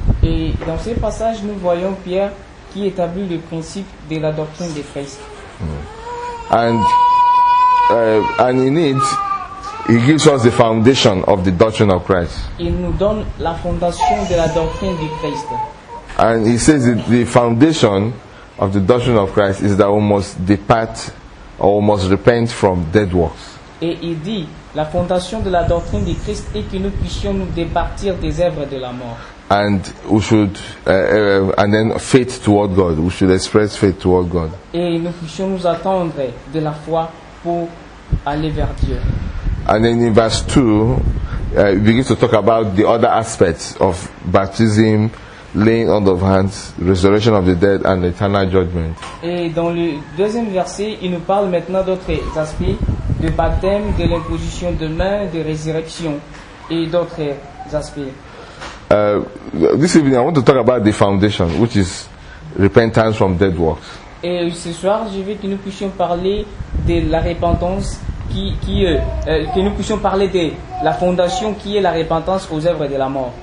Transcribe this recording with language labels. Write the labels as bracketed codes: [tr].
[fr] Et dans ce passage, nous voyons Pierre qui établit le principe de la doctrine de Christ. [en] And in it, he gives us the foundation of the doctrine of Christ. [fr] Il nous donne la fondation de la doctrine de Christ. [en] And he says that the foundation of the doctrine of Christ is that we must depart or we must repent from dead works. [fr] Et il dit la fondation de la doctrine de Christ est que nous puissions nous départir des œuvres de la mort. [en] And we should and then faith toward God. We should express faith toward God. [fr] Et nous puissions nous attendre de la foi pour aller vers Dieu. [en] And then in verse 2 he begins to talk about the other aspects of baptism, laying on of hands, resurrection of the dead, and eternal judgment. [fr] Et dans le deuxième verset, il nous parle maintenant d'autres aspects de baptême, de l'imposition de mains, de résurrection, et d'autres aspects. [en] This evening, I want to talk about the foundation, which is repentance from dead works. [fr] Et ce soir, je veux que nous puissions parler de la repentance, que nous puissions parler de la fondation qui est la repentance aux œuvres de la mort.